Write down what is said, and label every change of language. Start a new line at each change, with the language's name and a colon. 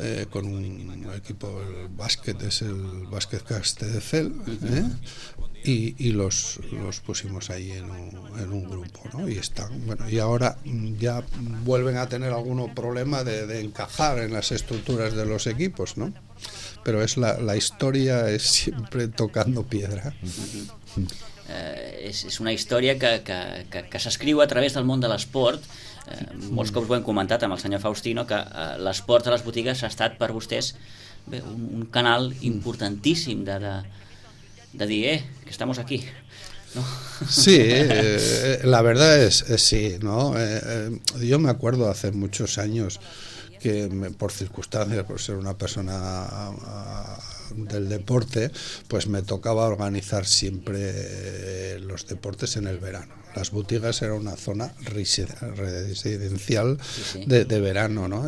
Spanish: con un equipo, el básquet, es el básquet Castelldefels, y los pusimos ahí en un grupo, ¿no? Y están, bueno, y ahora ya vuelven a tener algún problema de encajar en las estructuras de los equipos, ¿no? Pero es la historia es siempre tocando piedra.
Catalan: Es una historia que s'escriu a través del món de l'esport. Molts cops ho hem comentat amb el senyor Faustino, que l'esport a les botigues ha estat per vostès un canal importantíssim de dir,
Spanish: que estamos aquí, ¿no? Sí, la verdad es sí, ¿no? Yo me acuerdo hace muchos años que por circunstancias, por ser una persona del deporte, pues me tocaba organizar siempre los deportes en el verano. Las botigues era una zona residencial de verano, ¿no?